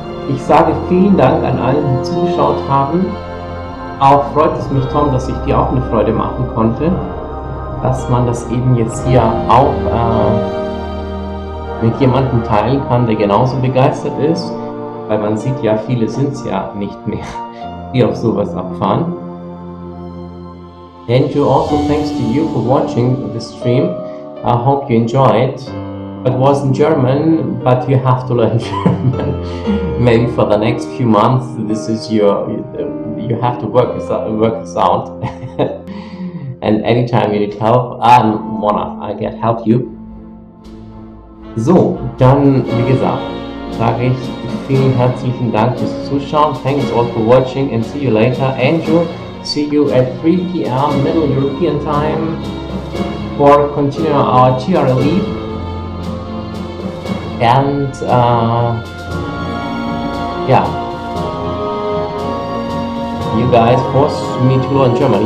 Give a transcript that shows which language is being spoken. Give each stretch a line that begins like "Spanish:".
German: Ich sage vielen Dank an alle, die zugeschaut haben. Auch freut es mich, Tom, dass ich dir auch eine Freude machen konnte, dass man das eben jetzt hier auch mit jemandem teilen kann, der genauso begeistert ist, weil man sieht ja, viele sind es ja nicht mehr, die auf sowas abfahren.
English: And you also thanks to you for watching the stream. I hope you enjoyed. It was in German, but you have to learn German. Maybe for the next few months, this is your. You have to work this out. And anytime you need help, I'll get help you.
German: So, dann wie gesagt, sage ich vielen herzlichen Dank fürs Zuschauen.
English: Thanks all for watching and see you later, Andrew. See you at 3 p.m. Middle European time for continue our TR lead. And yeah, you guys forced me to learn German.